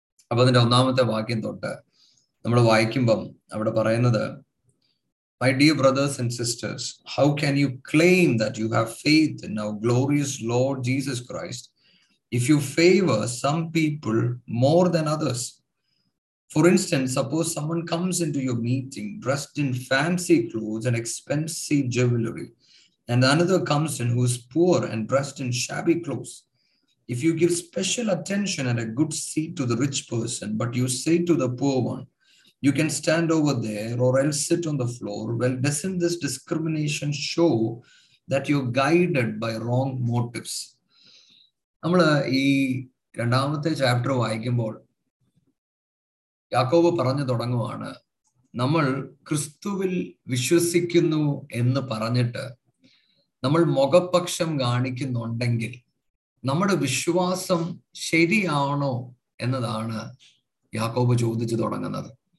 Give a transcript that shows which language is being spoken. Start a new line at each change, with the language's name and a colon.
Malayalam: അപ്പൊ അതിന്റെ ഒന്നാമത്തെ വാക്യം തൊട്ട് നമ്മൾ വായിക്കുമ്പം അവിടെ പറയുന്നത്,
English: My dear brothers and sisters, how can you claim that you have faith in our glorious Lord Jesus Christ if you favour some people more than others? For instance, suppose someone comes in to your meeting dressed in fancy clothes and expensive jewellery. And another comes in who is poor and dressed in shabby clothes. If you give special attention and a good seat to the rich person, but you say to the poor one, you can stand over there or else sit on the floor, well, doesn't this discrimination show that you're guided by wrong motives?
Malayalam: നമ്മള് ഈ രണ്ടാമത്തെ chapter വായിക്കുമ്പോൾ യാക്കോബ് പറഞ്ഞു തുടങ്ങുവാണ്, നമ്മൾ ക്രിസ്തുവിൽ വിശ്വസിക്കുന്നു എന്ന് പറഞ്ഞിട്ട് നമ്മൾ മുഖപക്ഷം കാണിക്കുന്നുണ്ടെങ്കിൽ നമ്മുടെ വിശ്വാസം ശരിയാണോ എന്നതാണ് യാക്കോബ് ചോദിച്ചു തുടങ്ങുന്നത്.